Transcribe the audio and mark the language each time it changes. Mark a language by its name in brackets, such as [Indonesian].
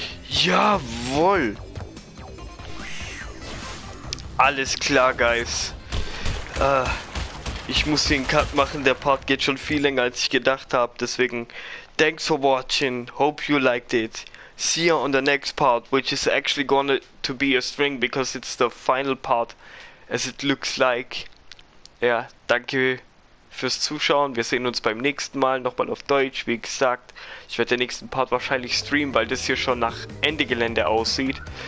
[German] Jawohl. Alles klar, Guys. Ich muss den Cut machen. Der Part geht schon viel länger, als ich gedacht habe. [English] Deswegen, thanks for watching. Hope you liked it. See you on the next part, which is actually gonna to be a string, because it's the final part, as it looks like. [German] Ja, danke fürs Zuschauen. Wir sehen uns beim nächsten Mal, nochmal auf Deutsch, wie gesagt. Ich werde den nächsten Part wahrscheinlich streamen, weil das hier schon nach Ende Gelände aussieht.